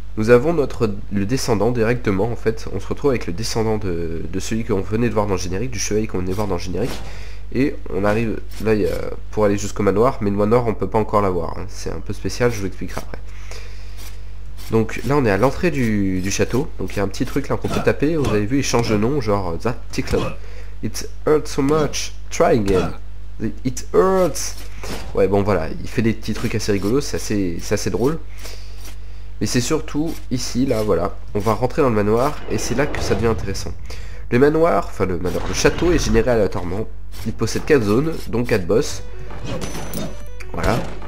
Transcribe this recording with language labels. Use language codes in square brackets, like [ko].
[fr] Nous avons le descendant directement en fait, on se retrouve avec le descendant de celui qu'on venait de voir dans le générique, du chevalier qu'on venait de voir dans le générique. Et on arrive là pour aller jusqu'au manoir, mais le manoir on peut pas encore l'avoir, hein. C'est un peu spécial, je vous expliquerai après. Donc là on est à l'entrée du château, donc il y a un petit truc là qu'on peut taper, vous avez vu il change de nom, genre [en] that tickle. It hurts so much, try again, it hurts. [fr] Ouais bon voilà, il fait des petits trucs assez rigolos, c'est assez drôle. Mais c'est surtout ici, là, voilà, on va rentrer dans le manoir, et c'est là que ça devient intéressant. Le manoir, enfin le château est généré aléatoirement, il possède 4 zones, dont 4 boss. Voilà.